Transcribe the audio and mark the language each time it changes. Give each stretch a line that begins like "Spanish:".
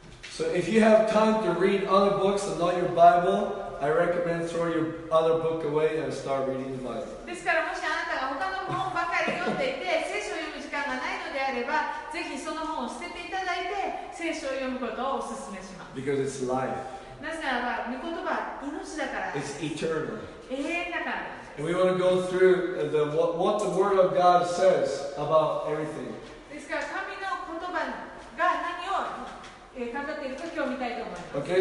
English: So if you have time to read other books and not your Bible, I recommend throw your other book away and start reading the Bible.
Japanese: ですからもしあなたが他の本ばかり読んでいて聖書を読む時間がないのであれば、ぜひその本を捨てていただいて聖書を読むことをお勧めします。
English: Because it's life.
Japanese: なぜならば御言葉は命だから。
English: It's eternal.
Japanese: 永遠だから。
English: We want to go through the what the word of God says about everything.
Japanese: ですから神の言葉が何を語っているか今日見たいと思います。